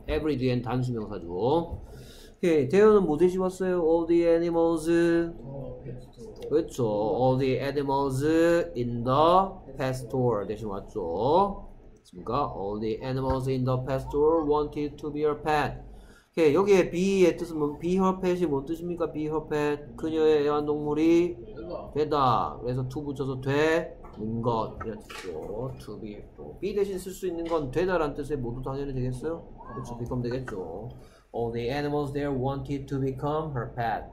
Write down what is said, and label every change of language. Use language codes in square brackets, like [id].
[ko] every 뒤엔 단수 명사죠. 오케이. there는 뭐 대신 왔어요? [en] all the animals. [ko] 그렇죠. [en] all the animals in the pastor [ko] 대신 왔죠. 그러니까 [en] all the animals in the pastor wanted to be her pet. [ko] 오케이. 여기에 be의 뜻은 뭐, [en] be her pet [ko] 이 뭔 뜻입니까? be her pet. 그녀의 애완동물이 되다. 그래서 to 붙여서 되는 것. 이런 뜻이죠. to be. be 대신 쓸수 있는 건 되다라는 뜻에 모두 당연히 되겠어요? 그렇죠. become 되겠죠. [en] All the animals there wanted to become her pet.